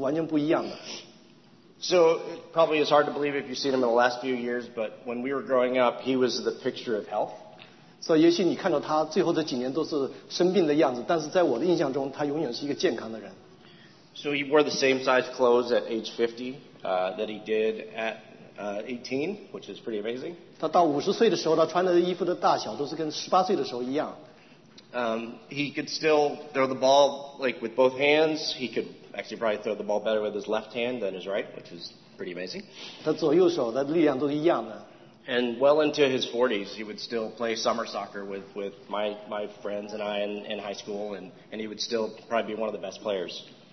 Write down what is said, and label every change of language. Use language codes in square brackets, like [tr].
[zh] 如果你要是只是知道他最后这后面三分之一的人生的话，那么他这后面三分之一的人生跟我经历的我父亲是完全不一样的。So [en] it probably is hard to believe if you've seen him in the last few years, but when we were growing up, he was the picture of health. [zh] So 也许你看到他最后这几年都是生病的样子，但是在我的印象中，他永远是一个健康的人。So [en] he wore the same size clothes at age 50 that he did at 18, which is pretty amazing. [zh] 他到50岁的时候，他穿的衣服的大小都是跟18岁的时候一样。 [en] He could still throw the ball like with both hands. He could actually probably throw the ball better with his left hand than his right, which is pretty amazing. [zh] 他左右手的力量都一样的。 [en] And well into his 40s, he would still play summer soccer with my friends and I in high school, and he would still probably be one of the best players.